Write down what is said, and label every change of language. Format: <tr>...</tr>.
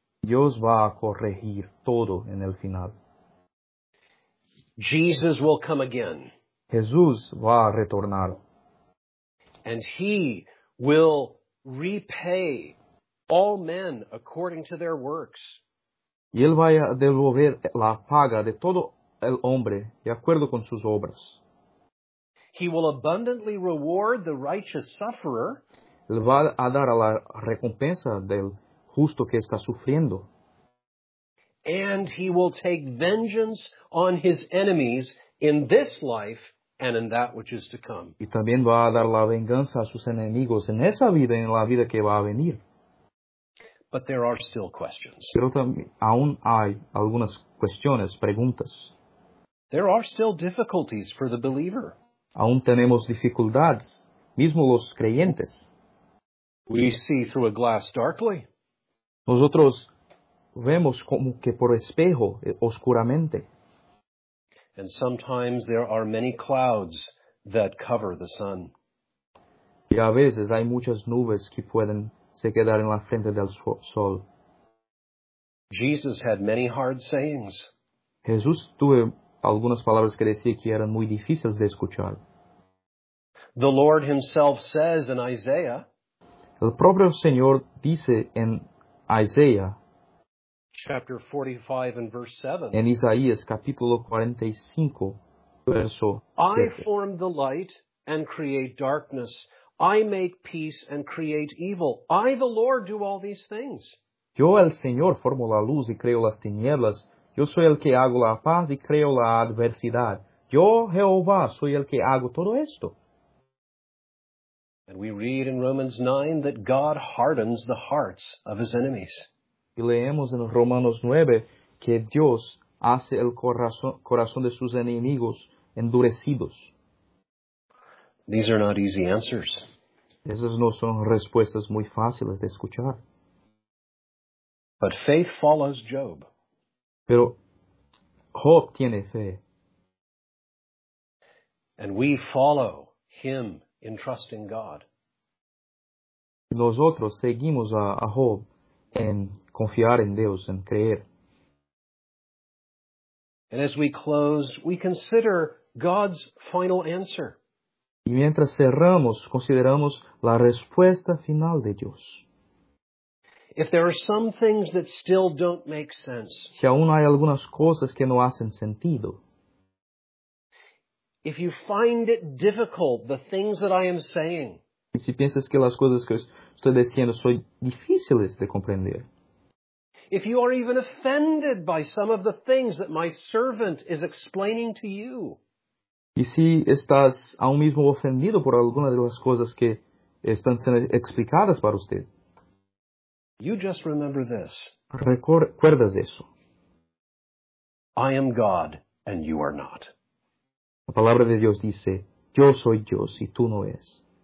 <es>Dios va a corregir todo en el final.</es> <en>Jesus will come again.</en> <es>Jesús va a retornar.</es> <en>And he will repay all men according to their works.</en> <es>Y él va a devolver la paga de todo el hombre de acuerdo con sus obras.</es> <en>He will abundantly reward the righteous sufferer.</en> <es>Él va a dar a la recompensa del justo que está sufriendo.</es> <en>And he will take vengeance on his enemies in this life and in that which is to come.</en> <es>Y también va a dar la venganza a sus enemigos en esa vida y en la vida que va a venir.</es> <en>But there are still questions.</en> <es>Pero aún hay algunas cuestiones, preguntas.</es> <en>There are still difficulties for the believer.</en> <es>Aún tenemos dificultades, mismo los creyentes.</es> <en>We see through a glass darkly.</en> <es>Nosotros vemos como que por espejo, oscuramente.</es> <en>And sometimes there are many clouds that cover the sun.</en> <es>Y a veces hay muchas nubes que pueden se quedar en la frente del sol.</es> <en>Jesus had many hard sayings.</en> <es>Jesús tuvo algunas palabras que decía que eran muy difíciles de escuchar.</es> <en>The Lord himself says in Isaiah.</en> <es>El propio Señor dice en Isaiah.</es> <en>Chapter 45 and verse 7.</en> <es>En Isaías capítulo 45, verso 7.</es> <en>I form the light and create darkness. I make peace and create evil. I, the Lord, do all these things.</en> <es>Yo, el Señor, formo la luz y creo las tinieblas. Yo soy el que hago la paz y creo la adversidad. Yo, Jehová, soy el que hago todo esto.</es> <en>And we read in Romans 9 that God hardens the hearts of his enemies.</en> <es>Y leemos en Romanos 9 que Dios hace el corazón de sus enemigos endurecidos.</es> <en>These are not easy answers.</en> <es>Esas no son respuestas muy fáciles de escuchar.</es> <en>But faith follows Job.</en> <es>Pero Job tiene fe.</es> <en>And we follow him in trusting God.</en> <es>Nosotros seguimos a Job en confiar en Dios, en creer.</es> <en>And as we close, we consider God's final answer.</en> <es>Y mientras cerramos, consideramos la respuesta final de Dios.</es> <en>If there are some things that still don't make sense.</en> <es>Si aún hay algunas cosas que no hacen sentido.</es> <en>If you find it difficult, the things that I am saying.</en> <es>Y si piensas que las cosas que estoy diciendo son difíciles de comprender.</es> <en>If you are even offended by some of the things that my servant is explaining to you.</en> <es>Y si estás aún mismo ofendido por alguna de las cosas que están siendo explicadas para usted.</es> <en>You just remember this.</en> <es>Recuerdas eso.</es> <en>I am God and you are not.</en> <es>La palabra de Dios dice, yo soy Dios y tú no eres.</es>